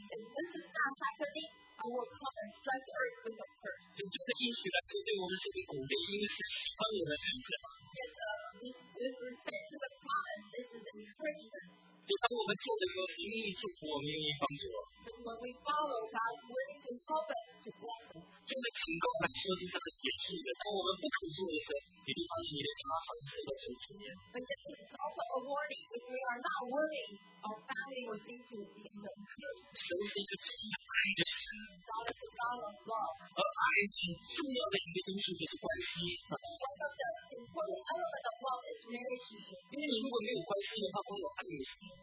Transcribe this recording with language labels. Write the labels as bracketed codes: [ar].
[en] If this is not happening, I will come and strike the earth with a curse. With respect to the promise, this is encouragement. [zh] 就当我们做的时候，神愿意祝福我们，愿意帮助我。 [en] When we follow God's willing to help us to bless us. [zh] 这个警告来说，这是很严肃的。当我们不肯做的时候，你会发现你的家好像是在出现。 [en] But this is also a warning. If we are not willing, our family will seem to be in the curse. [zh] 神是一个充满爱的神。 [en] God is a God of love. [zh] 而爱很重要的一个因素就是关系。 [en] One of the important elements of love is relationship. [zh] 因为你如果没有关系的话，没有爱的神。